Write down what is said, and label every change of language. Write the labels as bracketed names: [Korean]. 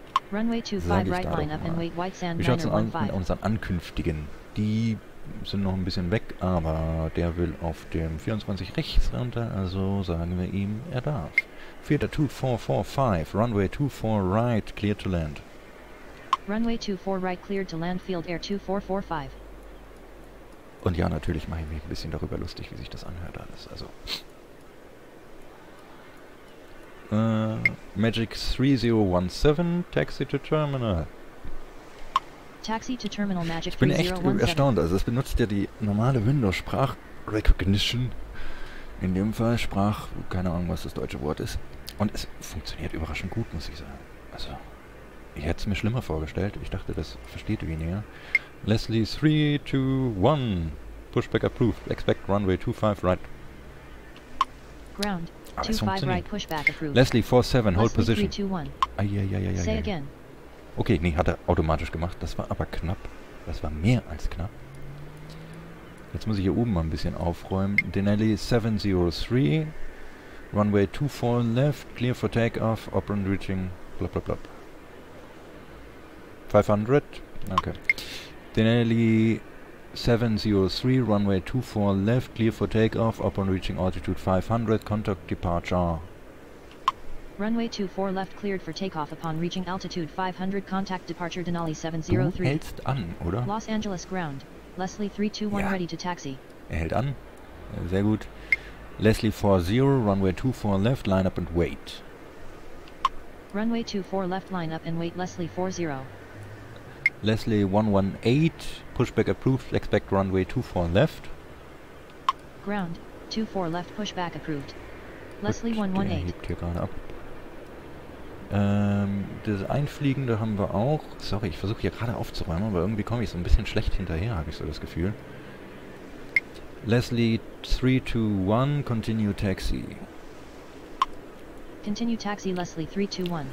[English] Runway 25 right, line up and wait, White Sand 915. [German] Wie schaut's mit unseren Ankünftigen? Die sind noch ein bisschen weg, aber der will auf dem 24 rechts runter, also sagen wir ihm, er darf. [English] Vierter 2445, runway 24 right, clear to land. Runway 24 right, clear to land, field air 2445. [German] Und ja, natürlich mache ich mich ein bisschen darüber lustig, wie sich das anhört alles, also. [English] Magic 3017, taxi to terminal. Taxi to Terminal Magic. [German] Ich bin echt erstaunt, also es benutzt ja die normale Windows-Sprach-Recognition, in dem Fall Sprach, keine Ahnung, was das deutsche Wort ist, und es funktioniert überraschend gut, muss ich sagen. Also, ich hätte es mir schlimmer vorgestellt, ich dachte, das versteht weniger. [English] Leslie 3, 2, 1, Pushback approved, expect runway 25 right. Ground, 25 right, Pushback approved. Leslie 47, hold position. Say again. [German] Okay, nee, hat er automatisch gemacht. Das war aber knapp. Das war mehr als knapp. Jetzt muss ich hier oben mal ein bisschen aufräumen. [English] Denali 703. Runway 24 left. Clear for takeoff. Operant reaching. Blub, blub, blub. 500. Okay. Denali 703. Runway 24 left. Clear for takeoff. Operant reaching altitude 500. Contact departure. Runway 24 left cleared for takeoff upon reaching altitude 500, contact departure Denali 703. [German] Du hältst an, oder? [English] Los Angeles ground. Leslie 321 ja. Ready to taxi. [German] Er hält an. Sehr gut. [English] Leslie 40, runway 24 left, line up and wait. Runway 24 left, line up and wait, Leslie 40. Leslie 118, pushback approved, expect runway 24 left. Ground, 24 left, pushback approved. Leslie 118. [German] Der hebt hier gerade ab. Das Einfliegende haben wir auch. Sorry, ich versuche hier gerade aufzuräumen, aber irgendwie komme ich so ein bisschen schlecht hinterher, habe ich so das Gefühl. [English] Leslie 321, continue taxi. Continue taxi, Leslie 321.